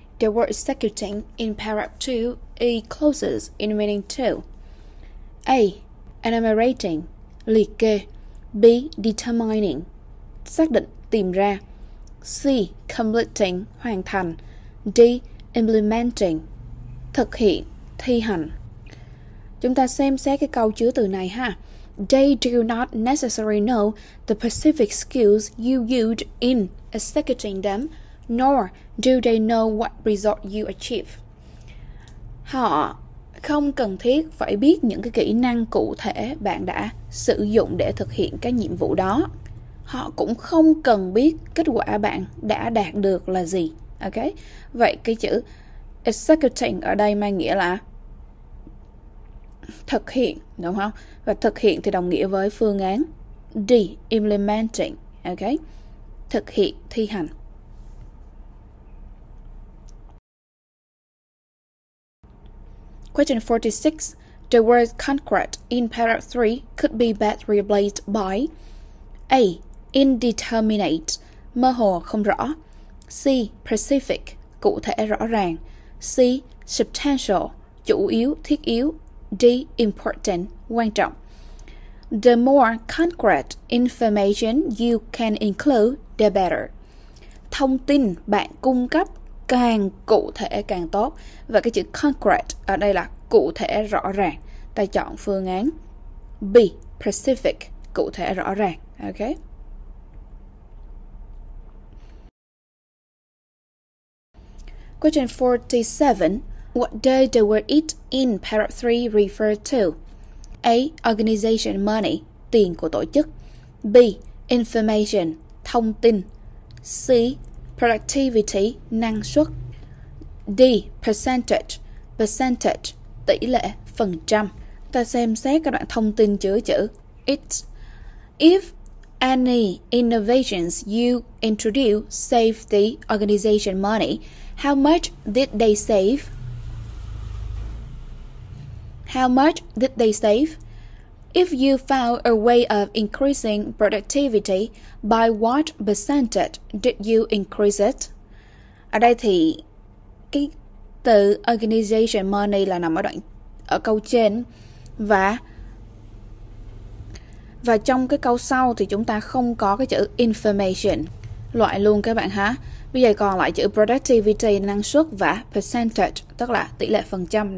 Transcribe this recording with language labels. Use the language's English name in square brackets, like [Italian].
[English] The word executing in paragraph 2 E closes in meaning 2. A. Enumerating, [Vietnamese] liệt kê. [English] B. [Vietnamese] Determining, xác định, tìm ra. C. Completing, hoàn thành. D. Implementing, thực hiện, thi hành. Chúng ta xem xét cái câu chứa từ này ha. [English] they do not necessarily know the specific skills you used in executing them, nor do they know what result you achieve. [Vietnamese] Họ không cần thiết phải biết những cái kỹ năng cụ thể bạn đã sử dụng để thực hiện cái nhiệm vụ đó. Họ cũng không cần biết kết quả bạn đã đạt được là gì. Ok? Vậy cái chữ executing ở đây mang nghĩa là thực hiện, đúng không? Và thực hiện thì đồng nghĩa với phương án. D, implementing. Ok? Thực hiện, thi hành. [English] Question 46. The word concrete in paragraph 3 could be best replaced by A. [Vietnamese] Indeterminate, mơ hồ, không rõ. C. Specific, cụ thể, rõ ràng. C. Substantial, chủ yếu, thiết yếu. D. Important, quan trọng. [English] The more concrete information you can include, the better. [Vietnamese] Thông tin bạn cung cấp càng cụ thể càng tốt. Và cái chữ concrete ở đây là cụ thể, rõ ràng. Ta chọn phương án B. Specific, cụ thể, rõ ràng. Ok. [English] Question 47. What does the word it in paragraph 3 refer to? A. [Vietnamese] Organization money, tiền của tổ chức. B. Information, thông tin. C. Productivity, năng suất. D. Percentage, percentage, tỷ lệ, phần trăm. Ta xem xét các đoạn thông tin chứa chữ it. [English] If any innovations you introduce save the organization money, how much did they save? How much did they save? If you found a way of increasing productivity, by what percentage did you increase it? [Vietnamese] Ở đây thì cái từ organization money là nằm ở đoạn ở câu trên, và trong cái câu sau thì chúng ta không có cái chữ information, loại luôn các bạn ha. Bây giờ còn lại chữ productivity, năng suất, và percentage, tức là tỷ lệ, phần trăm.